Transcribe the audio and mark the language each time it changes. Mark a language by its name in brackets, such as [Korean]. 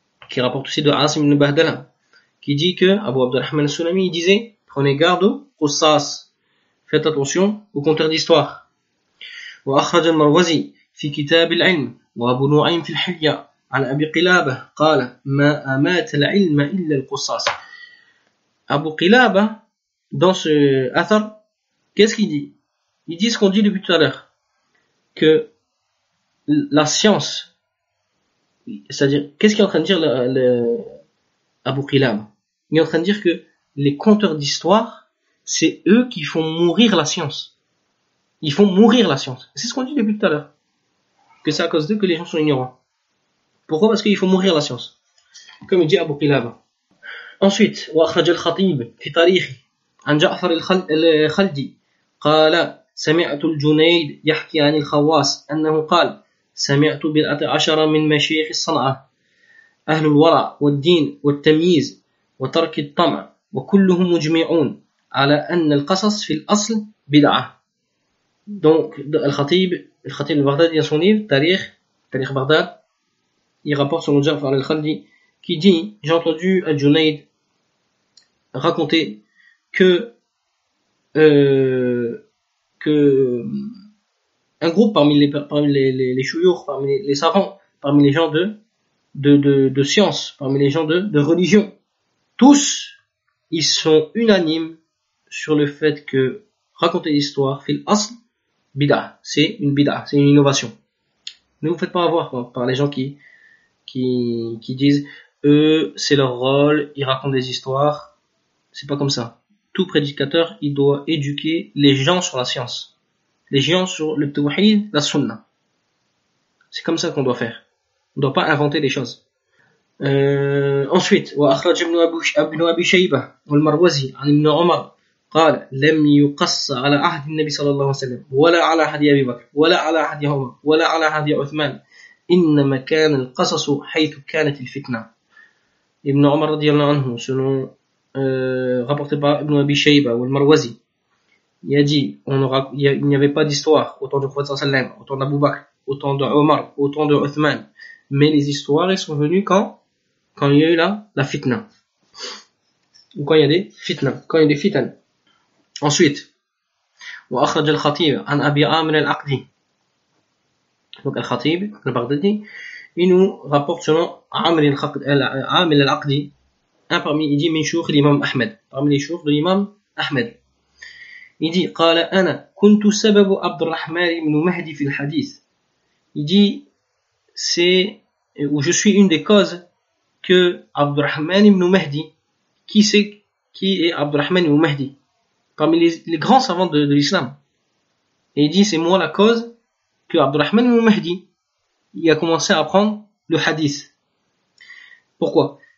[French] qui rapporte aussi de [Arabic] عاصم بن بهدلة [French] qui dit que [Arabic] أبو عبد الرحمن السلمي [French] disait prenez garde aux [Arabic] قصاص [French] faites attention aux conteurs d'histoire [Arabic] وأخرج المروزي في كتاب العلم وأبو نعيم في الحلية عن أبي قلابة قال ما أمات العلم إلا القصاص [French] Abu Qilaba, dans ce Athar, qu'est-ce qu'il dit? Il dit ce qu'on dit depuis tout à l'heure. Que la science, c'est-à-dire, qu'est-ce qu'il est en train de dire le Abu Qilaba? Il est en train de dire que les conteurs d'histoire, c'est eux qui font mourir la science. Ils font mourir la science. C'est ce qu'on dit depuis tout à l'heure. Que c'est à cause d'eux que les gens sont ignorants. Pourquoi? Parce qu'ils font mourir la science. Comme il dit Abu Qilaba. Ensuite, [Arabic] وأخرج الخطيب في تاريخي عن جعفر الخلدي قال سمعت الجنيد يحكي عن الخواص أنه قال سمعت بضعة عشر من مشايخ الصنعة أهل الورع والدين والتمييز وترك الطمع وكلهم مجمعون على أن القصص في الأصل بدعة. [French] Donc الخطيب البغدادي dans son livre تاريخ بغداد il rapporte selon Jafar al-Khaldi qui dit j'ai entendu al-Junayd raconté que un groupe parmi les chouyours, parmi les savants, parmi les gens de science, parmi les gens de religion, tous, ils sont unanimes sur le fait que raconter l'histoire, [Arabic] fil asl, [French] bida, c'est une bida, c'est une innovation. Ne vous faites pas avoir par les gens qui disent, eux, c'est leur rôle, ils racontent des histoires. C'est pas comme ça. Tout prédicateur, il doit éduquer les gens sur la science. Les gens sur le tawhid, la sunna. C'est comme ça qu'on doit faire. On doit pas inventer des choses. Ensuite, [Arabic] wa akhraj ibn Abi Shayba wal Marwazi an Ibn Umar قال لم يقص على عهد النبي صلى الله عليه وسلم ولا على عهد أبي بكر ولا على عهد عمر ولا على عهد عثمان إنما كان القصص حيث كانت الفتنة. [French] ابن عمر [Arabic] رضي الله عنه [French] selon rapporté par Ibn Abi Shayba ou al-Marwazi, il a dit il n'y avait pas d'histoire autant du prophète [Arabic] sallallahu alayhi wa sallam, [French] autant d'Abu Bakr, autant de Omar, autant de Uthman, mais les histoires elles sont venues quand il y a eu la fitna, ou quand il y a des fitna, quand il y a des fitan. Ensuite, [Arabic] وأخرج الخطيب عن أبي عامر العقدي. [French] Donc, الخطيب, le Baghdadi, il nous rapporte selon عامر العقدي, un parmi, il dit, [Arabic] من شيوخ الإمام أحمد, [French] parmi les شيوخ de l'imam Ahmed. Il dit, [Arabic] قال أنا كنت سبب عبد الرحمن بن مهدي في الحديث. [French] Il dit, je suis une des causes que عبد الرحمن بن مهدي, qui est عبد الرحمن بن مهدي, parmi les grands savants de l'islam. Et il dit, c'est moi la cause que Abdurrahman ibn Mahdi a commencé à apprendre le hadith. Pourquoi?